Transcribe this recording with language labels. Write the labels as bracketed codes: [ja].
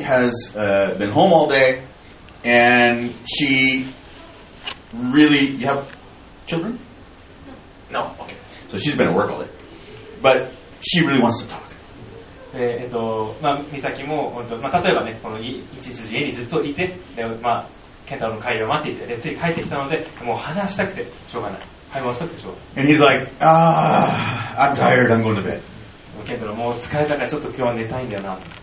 [en] has been home all day, and she really... You have children? No. No? Okay. So she's been at work all day. But she really wants to talk. [ja] Misaki も本当、まあ、例えばね、この一日家にずっといて、で、まあ、健太郎の帰りを待っていて、で、つい帰ってきたので、もう話したくてしょうがない。会話したくてしょうがない。 [en] And he's like, ah, I'm tired, I'm going to bed. [ja] 健太郎、もう疲れたからちょっと今日は寝たいんだよな。